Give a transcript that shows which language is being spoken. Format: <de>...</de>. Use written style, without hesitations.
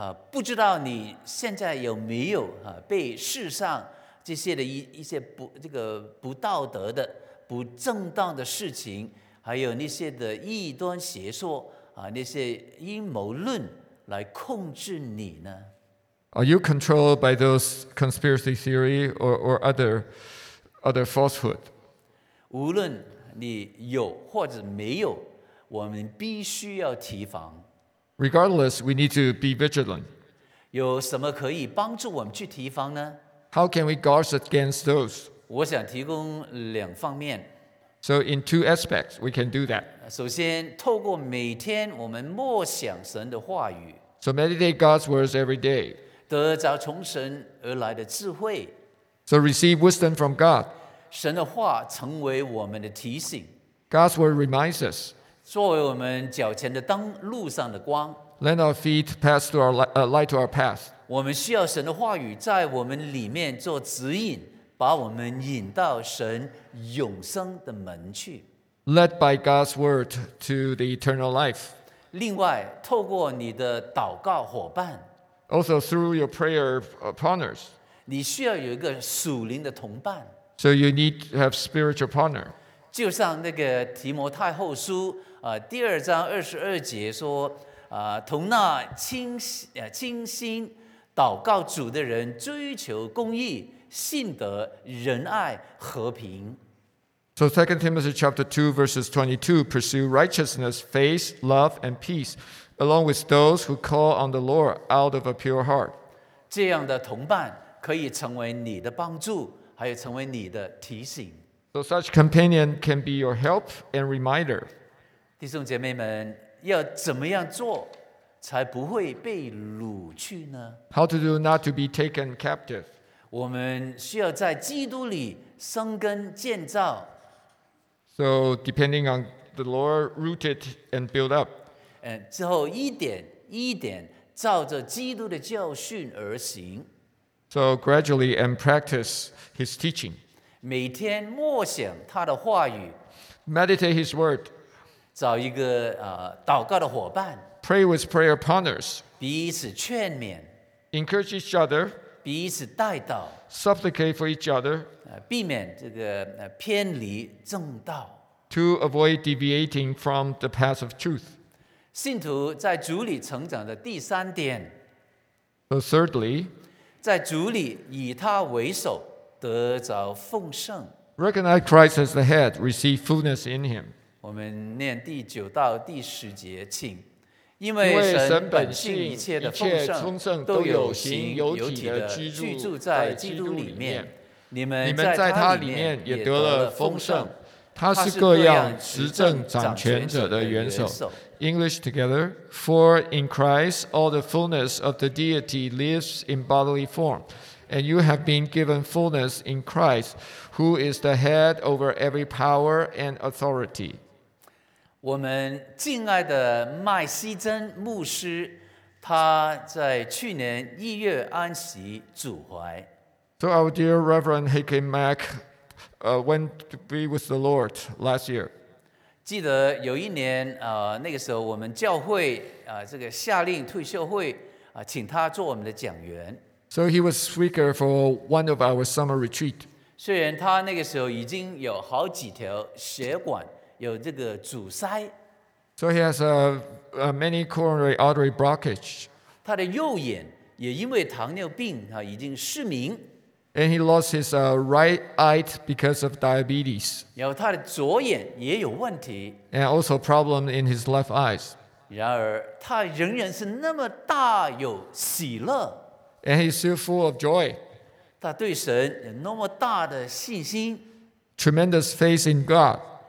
<zh>不知道你现在有没有被世上这些的一些不道德的。不正当的事情，还有那些的异端邪说那些阴谋论来控制你呢</zh> <en>？Are you controlled by those conspiracy theory or other falsehood？</en> <zh>无论你有或者没有，我们必须要提防。</zh> <en>Regardless, we need to be vigilant.</en> <zh>有什么可以帮助我们去提防呢</zh> <en>？How can we guard against those？</en> <zh>我想提供两方面。</zh> <en>So in two aspects, we can do that.</en> <zh>首先，透过每天我们默想神的话语。</zh> <en>So meditate God's words every day.</en> <zh>得着从神而来的智慧。</zh> <en>So receive wisdom from God.</en> <zh>神的话成为我们的提醒。</zh> <en>God's word reminds us.</en> <zh>作为我们脚前的灯，路上的光。</zh> <en>Lend our feet pass to our light to our path.</en> <zh>我们需要神的话语在我们里面做指引。把我们引到神永生的门去。</zh> <en>Led by God's word to the eternal life.</en> <zh>另外，透过你的祷告伙伴。</zh> <en>Also through your prayer partners.</en> <zh>你需要有一个属灵的同伴。</zh> <en>So you need to have spiritual partner.</en> <zh>就像那个提摩太后书第二章二十二节说同那清心祷告主的人追求公义。信德仁爱和平</zh> <en>So 2 Timothy chapter 2, verses 22, pursue righteousness, faith, love, and peace, along with those who call on the Lord out of a pure heart.</en> <zh>这样的同伴可以成为你的帮助，还有成为你的提醒。</zh> <en>So such companion can be your help and reminder.</en> <zh>弟兄姐妹们，要怎么样做才不会被掳去呢？</zh> <en>How to do not to be taken captive.</en> <zh>我们需要在基督里生根建造。</zh> <en>So depending on the Lord, rooted and built up.</en> <zh>之后一点一点照着基督的教训而行。</zh> <en>So gradually and practice his teaching.</en> <zh>每天默想他的话语。</zh> <en>Meditate his word.</en> <zh>找一个祷告的伙伴。</zh> <en>Pray with prayer partners.</en> <zh>彼此劝勉。</zh> <en>Encourage each other.</en> <zh>彼此带导。</zh> <en>Supplicate for each other.</en> <zh>避免这个偏离正道。</zh> <en>To avoid deviating from the path of truth.</en> <zh>信徒在主里成长的第三点。</zh> <en>So thirdly,</en> <zh>在主里以他为首得着丰盛。</zh> <en>Recognize Christ as the head, receive fullness in him.</en> <zh>我们念第九到第十节，请。因为神本性一切的丰盛都有形有体的居住在基督里面，你们在他里面也得了丰盛。他是各样执政掌权者的元首。</zh> <en>English together, for in Christ all the fullness of the deity lives in bodily form, and you have been given fullness in Christ, who is the head over every power and authority.</en> <zh>我们敬爱的麦西珍牧师，他在去年一月安息主怀。</zh> <en>So our dear Reverend Hakim Mack went to be with the Lord last year.</en> <zh>记得有一年，那个时候我们教会这个下令退休会请他做我们的讲员。</zh> <en>So he was speaker for one of our summer retreat.</en> <zh>虽然他那个时候已经有好几条血管有这个阻塞。</zh> <en>So he has many coronary artery blockage.</en> <zh>他的右眼也因为糖尿病已经失明。</zh> <en>And he lost his right eye because of diabetes.</en> <zh>然后他的左眼也有问题。</zh> <en>And also problem in his left eyes.</en> <zh>然而他仍然是那么大有喜乐。</zh> <en>And he's still full of joy.</en> <zh>他对神有那么大的信心。</zh> <en>Tremendous faith in God.</en>